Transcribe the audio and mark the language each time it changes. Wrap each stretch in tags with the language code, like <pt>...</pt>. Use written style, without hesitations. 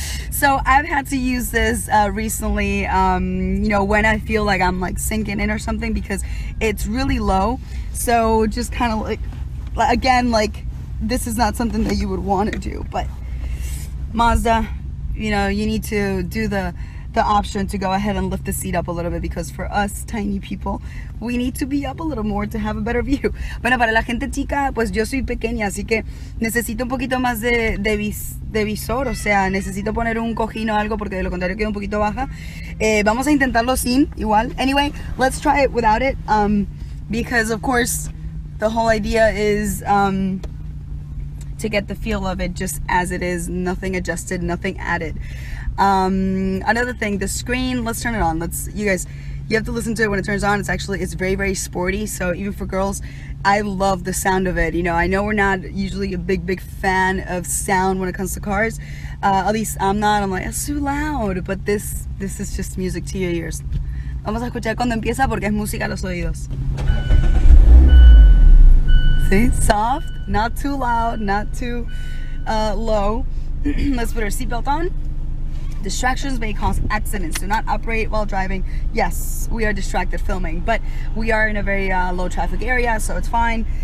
<en>So I've had to use this recently, you know, when I feel like I'm like sinking in or something, because it's really low. So just kind of like again, like, this is not something that you would want to do, but Mazda, you know, you need to do the option to go ahead and lift the seat up a little bit, because for us tiny people, we need to be up a little more to have a better view.</en> <es>Bueno, para la gente chica, pues yo soy pequeña, así que necesito un poquito más de visor, o sea, necesito poner un cojín o algo, porque de lo contrario quedo un poquito baja. Vamos a intentarlo sin, igual.</es> <en>Anyway, let's try it without it, because of course, the whole idea is to get the feel of it just as it is, nothing adjusted, nothing added. Another thing, the screen, let's turn it on. Let's, you guys, you have to listen to it when it turns on. It's actually, it's very, very sporty. So even for girls, I love the sound of it. You know, I know we're not usually a big, big fan of sound when it comes to cars. At least I'm not. I'm like, it's too loud. But this is just music to your ears.</en> <es>Vamos a escuchar cuando empieza porque es música a los oídos.</es> <en>See, soft, not too loud, not too low. Let's put our seatbelt on. Distractions may cause accidents. Do not operate while driving. Yes, we are distracted filming, but we are in a very low traffic area, so it's fine.</en>